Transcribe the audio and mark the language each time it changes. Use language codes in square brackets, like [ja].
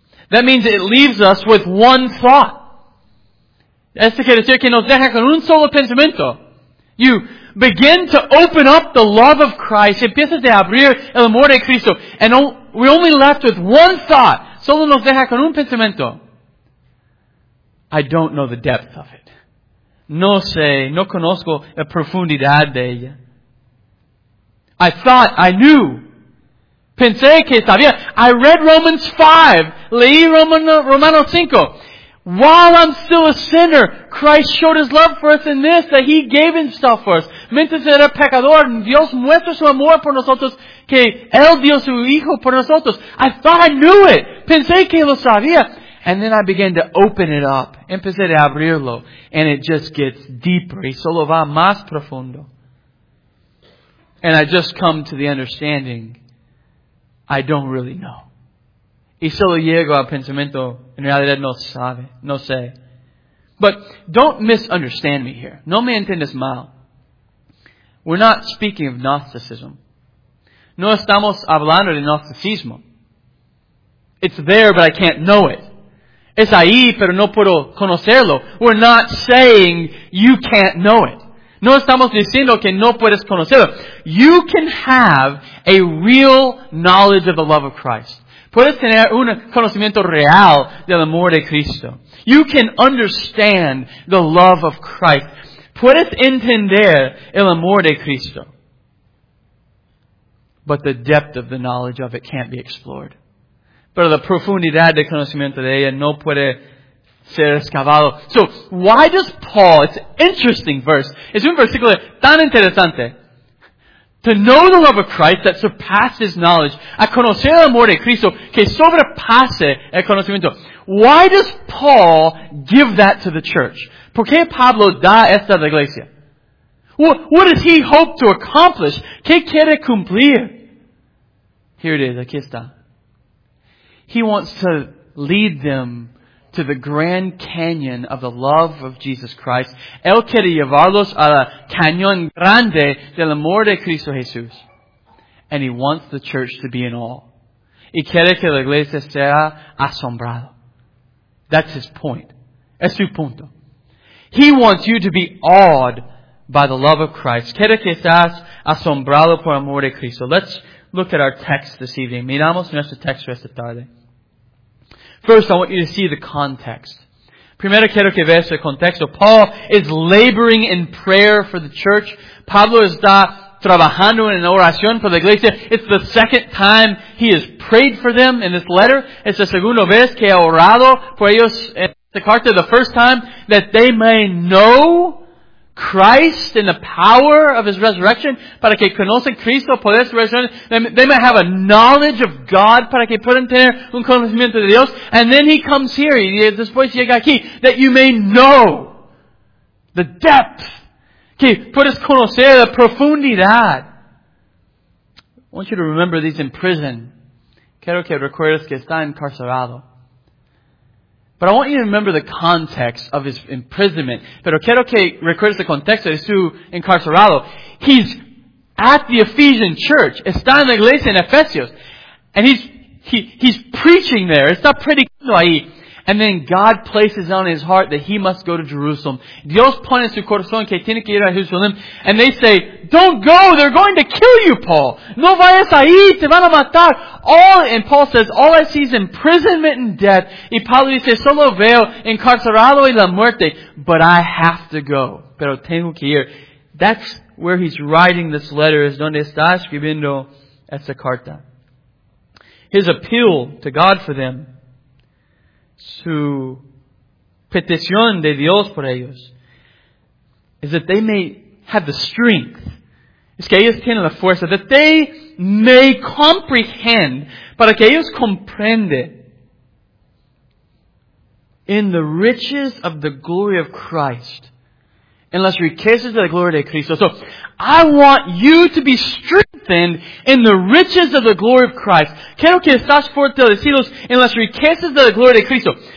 [en] That means it leaves us with one thought. [es] Esto quiere decir que nos deja con un solo pensamiento. [en] You begin to open up the love of Christ. [es] Empiezas a abrir el amor de Cristo. [en] And we're only left with one thought. [es] Solo nos deja con un pensamiento. [en] I don't know the depth of it. [es] No sé, no conozco la profundidad de ella. [en] I thought I knew. [es] Pensé que sabía. [en] I read Romans 5. [es] Leí Romanos 5. [en] While I'm still a sinner, Christ showed His love for us in this, that He gave Himself for us. [es] Mientras era pecador, Dios muestra su amor por nosotros, que Él dio su Hijo por nosotros. [en] I thought I knew it. [es] Pensé que lo sabía. [en] And then I began to open it up. [es] Empecé a abrirlo. [en] And it just gets deeper. [es] Y solo va más profundo. [en] And I just come to the understanding, I don't really know. [es] Y solo llego al pensamiento, en realidad no sabe, no sé. [en] But don't misunderstand me here. [es] No me entiendes mal. [en] We're not speaking of Gnosticism. [es] No estamos hablando de Gnosticismo. [en] It's there, but I can't know it. [es] Es ahí, pero no puedo conocerlo. [en] We're not saying you can't know it. [es] No estamos diciendo que no puedes conocerlo. [en] You can have a real knowledge of the love of Christ. [es] Puedes tener un conocimiento real del amor de Cristo. [en] You can understand the love of Christ. [es] Puedes entender el amor de Cristo. [en] But the depth of the knowledge of it can't be explored. [es] Pero la profundidad del conocimiento de ella no puede ser excavado. [en] So, why does Paul, it's an interesting verse, [es] es un versículo tan interesante. [en] To know the love of Christ that surpasses knowledge, [es] a conocer el amor de Cristo que sobrepase el conocimiento. [en] Why does Paul give that to the church? [es] ¿Por qué Pablo da esto a la iglesia? [en] What does he hope to accomplish? [es] ¿Qué quiere cumplir? [en] Here it is, [es] aquí está. [en] He wants to lead them to the Grand Canyon of the love of Jesus Christ. [es] Él quiere llevarlos al cañón grande del amor de Cristo Jesús. [en] And he wants the church to be in awe. [es] Y quiere que la iglesia sea asombrada. [en] That's his point. [es] Es su punto. [en] He wants you to be awed by the love of Christ. [es] Quiere que seas asombrado por el amor de Cristo. [en] Let's look at our text this evening. [es] Miramos nuestro texto esta tarde. [en] First, I want you to see the context. [es] Primero quiero que veas el contexto. [en] Paul is laboring in prayer for the church. [es] Pablo está trabajando en oración por la iglesia. [en] It's the second time he has prayed for them in this letter. [es] Es la segunda vez que ha orado por ellos en esta carta. [en] The first time that they may know Christ and the power of His resurrection, [es] para que conozcan Cristo, poder su resurrección. [en] They may have a knowledge of God, [es] para que puedan tener un conocimiento de Dios. [en] And then He comes here, [es] y después llega aquí, [en] that you may know the depth, [es] que puedes conocer la profundidad. [en] I want you to remember these in prison. Quiero que recuerdes que está encarcelado. But I want you to remember the context of his imprisonment. [es] Pero quiero que recuerdes el contexto de su encarcelado. [en] He's at the Ephesian church. [es] Está en la iglesia en Efesios. [en] And he's preaching there. [es] Está predicando ahí. [en] And then God places on his heart that he must go to Jerusalem. [es] Dios pone en su corazón que tiene que ir a Jerusalem. [en] And they say, don't go, they're going to kill you, Paul. [es] No vayas ahí, te van a matar. [en] And Paul says, all I see is imprisonment and death. [es] Y Pablo dice, solo veo encarcelado y la muerte. [en] But I have to go. [es] Pero tengo que ir. [en] That's where he's writing this letter, [es] es donde está escribiendo esta carta. [en] his appeal to God for them. [es] Su petición de Dios por ellos. [en] Is that they may have the strength. [es] Es que ellos tienen la fuerza. [en] That they may comprehend. [es] Para que ellos comprendan. [en] In the riches of the glory of Christ. [es] En las riquezas de la gloria de Cristo. [en] So, I want you to be strengthened in the riches of the glory of Christ. [es] Quiero que estás fortalecidos en las riquezas de la gloria de Cristo.